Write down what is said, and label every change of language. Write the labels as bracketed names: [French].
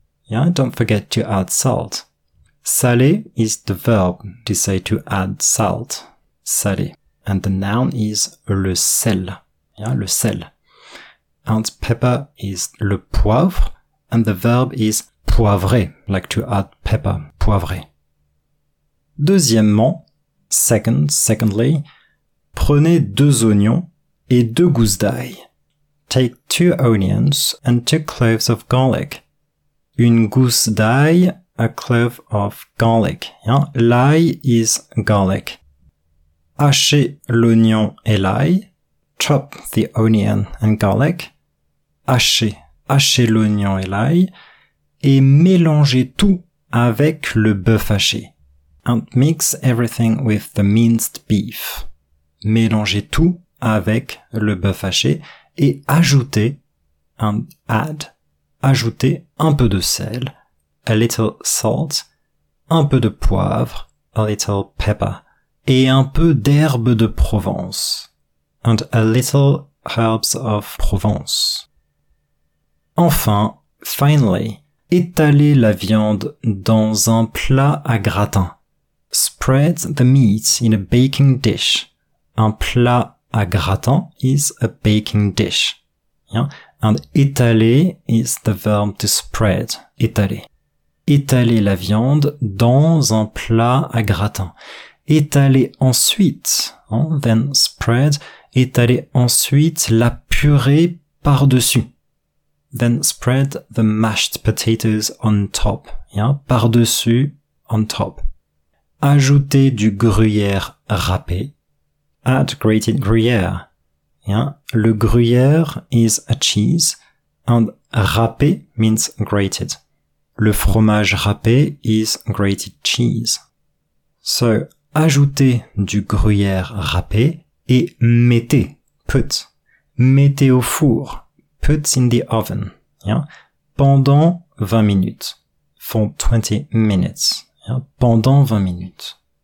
[English] Yeah? Don't forget to add salt. Saler is the verb to say to add salt. Saler. And the noun is le sel. Yeah? Le sel. And pepper is le poivre. And the verb is poivrer, like to add pepper, poivrer. [French] Deuxièmement, [English] secondly, [French] prenez deux oignons et deux gousses d'ail. [English] Take two onions and two cloves of garlic. [French] Une gousse d'ail, [English] a clove of garlic. Hein? [French] L'ail [English] is garlic. [French] Hachez l'oignon et l'ail. [English] Chop the onion and garlic. [French] Hachez. Hachez l'oignon et l'ail et mélangez tout avec le bœuf haché. [English] and mix everything with the minced beef. [French] Mélangez tout avec le bœuf haché et ajoutez, [English] and add, [French] ajoutez un peu de sel, [English] a little salt, [French] un peu de poivre, [English] a little pepper, [French] et un peu d'herbe de Provence, [English] and a little herbs of Provence. [French] Enfin, [English] finally, [French] étalez la viande dans un plat à gratin. [English] Spread the meat in a baking dish. [French] Un plat à gratin [English] is a baking dish. Yeah? And étaler is the verb to spread. Étaler. [French] Étaler la viande dans un plat à gratin. Étaler ensuite, [English] then spread, [French] étaler ensuite la purée par-dessus. [English] Then spread the mashed potatoes on top, yeah? [French] Par-dessus, [English] on top. [French] Ajouter du gruyère râpé. [English] Add grated gruyère. Yeah? Le gruyère is a cheese, and râpé means grated. [French] Le fromage râpé [English] is grated cheese. [French] So, ajoutez du gruyère râpé et mettez, put. Mettez au four, [English] put in the oven, yeah? [French] Pendant 20 minutes. [English] For 20 minutes, yeah? [French] Pendant 20 minutes.